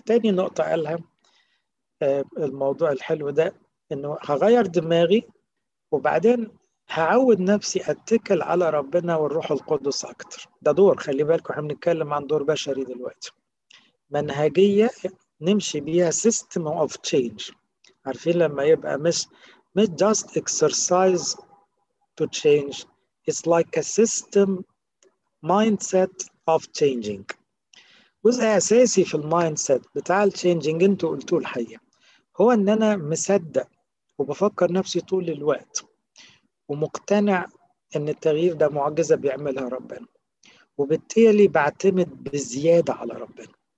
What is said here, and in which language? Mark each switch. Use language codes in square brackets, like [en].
[ar] تاني نقطة قالها الموضوع الحلو ده، إنه هغير دماغي وبعدين هعود نفسي أتكل على ربنا والروح القدس أكتر. ده دور، خلي بالكم احنا بنتكلم عن دور بشري دلوقتي، منهجية نمشي بيها، [en] system of change. [ar] عارفين لما يبقى مش [en] just exercise to change, it's like a system mindset of changing. [ar] جزء أساسي في المايندسيت بتاع التشينجينج انتوا قلتوه الحقيقة، هو ان انا مصدق وبفكر نفسي طول الوقت ومقتنع ان التغيير ده معجزة بيعملها ربنا، وبالتالي بعتمد بزيادة على ربنا.